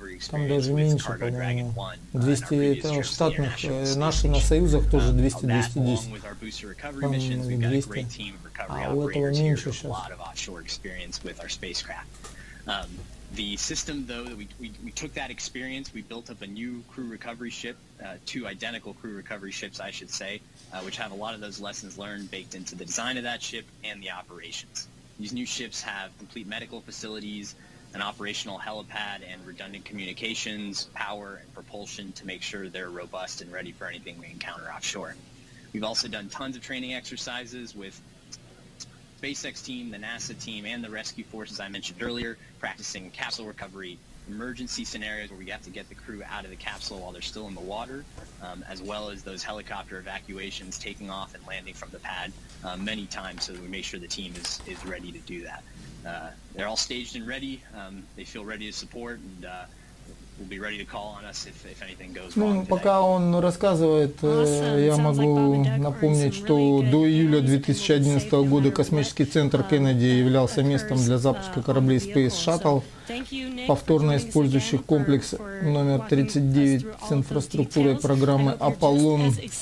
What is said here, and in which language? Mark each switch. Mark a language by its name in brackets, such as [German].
[Russian] Там даже меньше, по-моему, 200 это штатных, наши на союзах тоже 200-210, а у этого меньше сейчас. [English] Two identical crew recovery ships, I should say, which have a lot of those lessons learned baked into the design of that ship and the operations. These new ships have complete medical facilities, an operational helipad, and redundant communications, power, and propulsion to make sure they're robust and ready for anything we encounter offshore. We've also done tons of training exercises with SpaceX team, the NASA team, and the rescue forces I mentioned earlier, practicing capsule recovery, emergency scenarios where we have to get the crew out of the capsule while they're still in the water, as well as those helicopter evacuations taking off and landing from the pad many times so that we make sure the team is ready to do that. They're all staged and ready. They feel ready to support and will be ready to call on us if anything goes wrong. [Russian] Ну, пока он рассказывает, я могу напомнить, что до июля 2011 года космический центр Кеннеди являлся местом для запуска кораблей Space Shuttle, повторно использующих комплекс номер 39 с инфраструктурой программы «Аполлон».